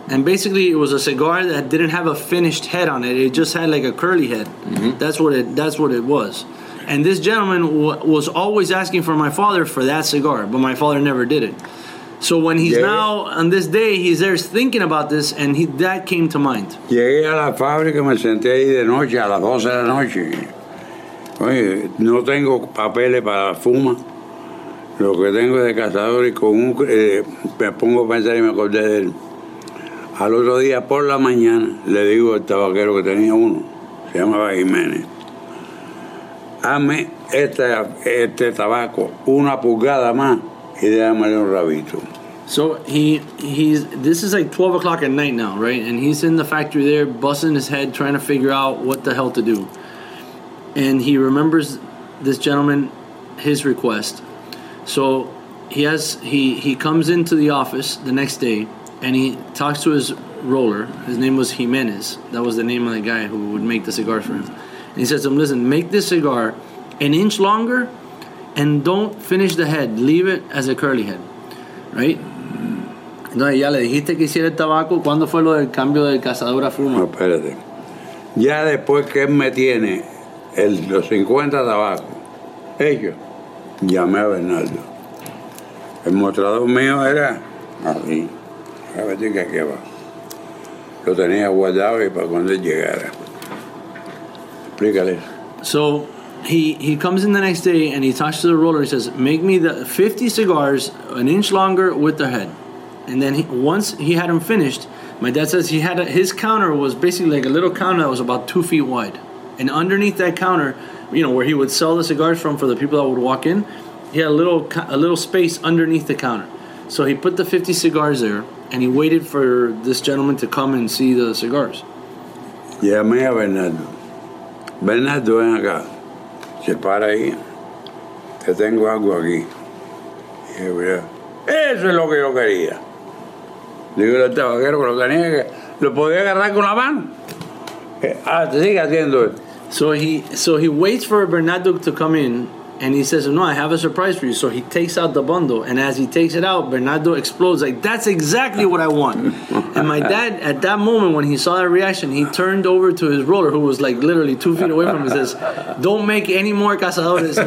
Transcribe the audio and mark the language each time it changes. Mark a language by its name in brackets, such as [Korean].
[English] And basically it was a cigar that didn't have a finished head on it. It just had like a curly head. Mm-hmm. That's what it was. And this gentleman was always asking for my father for that cigar, but my father never did it. So when he's now on this day, he's there thinking about this, and he, that came to mind. [Spanish] Llegué a la fábrica, me senté ahí de noche a las 12 de la noche. Oye, no tengo papeles para fuma. Lo que tengo es de cazador y con un me pongo a pensar y me acordé de él. Al otro día por la mañana le digo al tabaquero que tenía uno, se llamaba Jiménez, hazme este tabaco una pulgada más y déjame un rabito. [English] So he's this is like 12 o'clock at night now, right? And he's in the factory there, busting his head, trying to figure out what the hell to do. And he remembers this gentleman, his request. So he comes into the office the next day, and he talks to his roller. His name was Jimenez. That was the name of the guy who would make the cigars for him. And he says to him, listen, make this cigar an inch longer, and don't finish the head. Leave it as a curly head, right? [Spanish] No, ya le dijiste que hiciera el tabaco. ¿Cuándo fue lo del cambio de cazador a fumo? No, espérate. Ya después que él me tiene los 50 tabacos, ellos, llamé a Bernardo. El mostrador mío era así. A ver si qué va. Lo tenía guardado y para cuando él llegara. Explícale. [English] So, he comes in the next day and he talks to the roller. He says, make me the 50 cigars an inch longer with the head. And then once he had them finished, my dad says he had his counter was basically like a little counter that was about 2 feet wide. And underneath that counter, you know, where he would sell the cigars from for the people that would walk in, he had a little space underneath the counter. So he put the 50 cigars there, and he waited for this gentleman to come and see the cigars. [Spanish] Llamé a Bernardo. Bernardo, ven acá. Se para ahí. Te tengo algo aquí. Eso es lo que yo quería. Digo, el tabaquero que lo tenía, que lo podía agarrar con la mano. Ah, te sigue haciendo esto. [English] So he waits for Bernardo to come in, and he says, no, I have a surprise for you. So he takes out the bundle, and as he takes it out, Bernardo explodes, like, that's exactly what I want. And my dad, at that moment, when he saw that reaction, he turned over to his roller, who was, like, literally 2 feet away from him, and says, don't make any more cazadores.